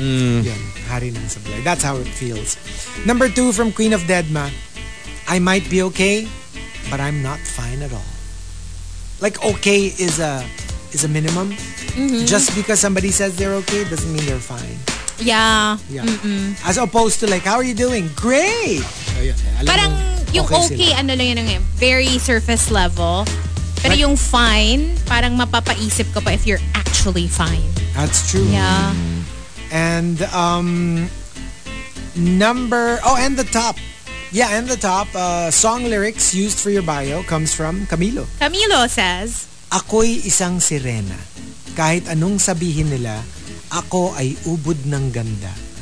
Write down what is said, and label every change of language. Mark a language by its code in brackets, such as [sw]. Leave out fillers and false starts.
[tl] Yun, hari ng sablay. [en] That's how it feels. Number 2 from Queen of Deadma. I might be okay, but I'm not fine at all. Like, okay is a minimum. Mm-hmm. Just because somebody says they're okay doesn't mean they're fine. Yeah. Yeah. Mm-mm. As opposed to like, how are you doing? Great! [tl] Parang yung okay ano lang yun ng ngayon. [en] Very surface level. [tl] Pero yung fine, parang mapapaisip ko pa [en] if you're actually fine. That's true. Yeah. And the top song lyrics used for your bio comes from Camilo. Camilo says, [tl] ako'y isang sirena. Kahit anong sabihin nila, ako ay ubod ng ganda.